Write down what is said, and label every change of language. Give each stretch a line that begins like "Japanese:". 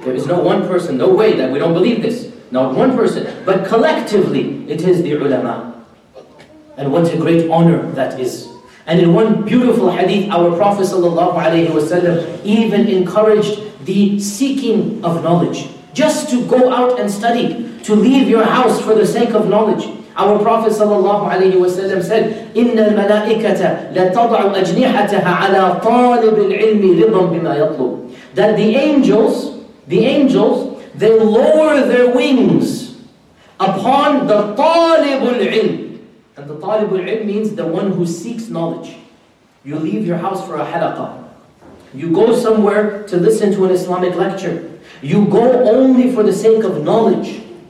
English: There is no one person, no way that we don't believe this. Not one person, but collectively it is the ulama. And what a great honor that is. And in one beautiful hadith, our Prophet sallallahu alayhi wa sallam even encouraged the seeking of knowledge. Just to go out and study, to leave your house for the sake of knowledge. Our Prophet sallallahu alayhi wa sallam said,
Arabic: إِنَّ الْمَلَائِكَةَ لَتَضَعُ أَجْنِحَتَهَا عَلَى طَالِبِ الْعِلْمِ رِضًا بِمَا يَطْلُبُ.
English: That the angels, they lower their wings upon the
Arabic: طَالِبُ الْعِلْمِ.
English: And the
Arabic: طَالِبُ الْعِلْمِ
English: means the one who seeks knowledge. You leave your house for a halaqah. You go somewhere to listen to an Islamic lecture. You go only for the sake of knowledge.